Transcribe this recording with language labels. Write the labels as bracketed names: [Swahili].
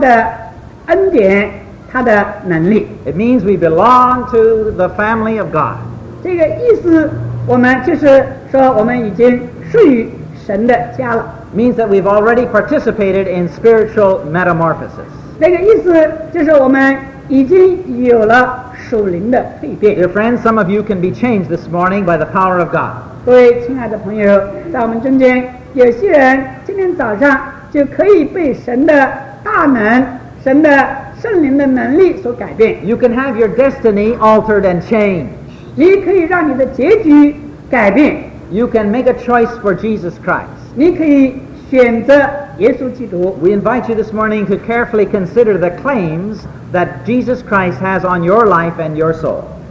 [Chinese] 我们藉着受洗来见证他的恩典, [English] It means we belong to the family of God. [Chinese] 这个意思我们就是说我们已经属于神的家了。 [English] Means that we've already participated in spiritual metamorphosis. [Chinese] 那个意思就是我们已经有了属灵的蜕变。 [English] Dear friends, some of you can be changed this morning by the power of God. [Chinese] 各位亲爱的朋友，在我们中间有些人今天早上就可以被神的大能，神的 [English] You can have your destiny altered and changed. You can make a choice for Jesus Christ. We invite you this morning to carefully consider the claims that Jesus Christ has on your life and your soul.